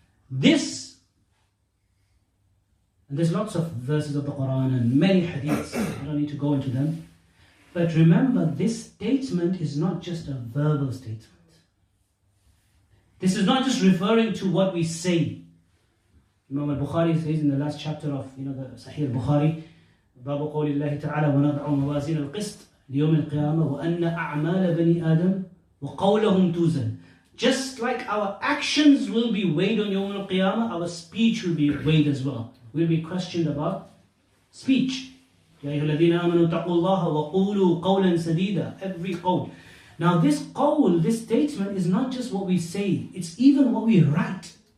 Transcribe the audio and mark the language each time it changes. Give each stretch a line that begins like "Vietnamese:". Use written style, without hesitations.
English: This, and there's lots of verses of the Quran and many hadiths, I don't need to go into them, But remember, this statement is not just a verbal statement. This is not just referring to what we say. Imam al-Bukhari says in the last chapter of, you know, the Sahih al-Bukhari,
Arabic: بَابُ قَوْلِ اللَّهِ تَعَالَى وَنَضَعُ مَوَازِينَ الْقِسْطِ لِيَوْمِ الْقِيَامَةِ وَأَنَّ أَعْمَالَ بَنِي آدَمَ وَقَوْلَهُمْ تُوزَنَ.
English: Just like our actions will be weighed on يَوْمِ الْقِيَامَةِ, our speech will be weighed as well. We'll be questioned about speech.
Arabic: يَا أَيُّهَا الَّذِينَ آمَنُوا تَقُوا اللَّهَ وَقُولُوا قَوْلًا سَدِيدًا.
English: Every
Arabic: قول.
English: Now this قول, this statement is not just what we say, it's even what we write.